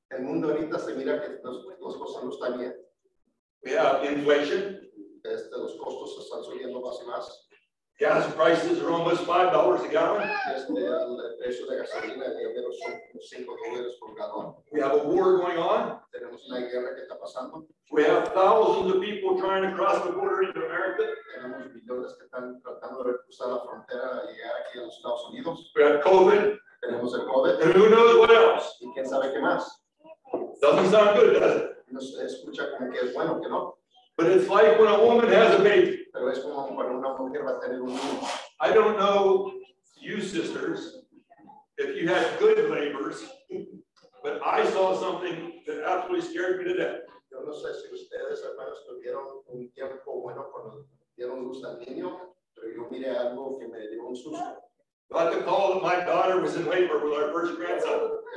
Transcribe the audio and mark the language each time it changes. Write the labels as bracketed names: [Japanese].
[Spanish] El mundo ahorita se mira que los cosas no están bien. [English] We have inflation. [Spanish] Los costos están subiendo más y más. [English] Gas prices are almost $5 a gallon. [Spanish] El precio de gasolina de enero son $5 por galón. [English] We have a war going on. [Spanish] Tenemos una guerra que está pasando. [English] We have thousands of people trying to cross the border into America. [Spanish] Tenemos millones que están tratando de cruzar la frontera y llegar aquí a los Estados Unidos. [English] We have COVID. [Spanish] Tenemos el COVID. [English] And who knows what else? [Spanish] ¿Y quién sabe qué más? [English] Doesn't sound good, does it? [Spanish] No se escucha como que es bueno, que no. [English] But it's like when a woman has a baby. [Spanish] Pero es como cuando una mujer va a tener un niño. [English] I don't know you sisters, if you had good neighbors, but I saw something that absolutely scared me to death. [Spanish] Yo no sé si ustedes, hermanos, tuvieron un tiempo bueno cuando dieron luz al niño, pero yo miré algo que me dio un susto. [English] Got the call that my daughter was in labor with our first grandson.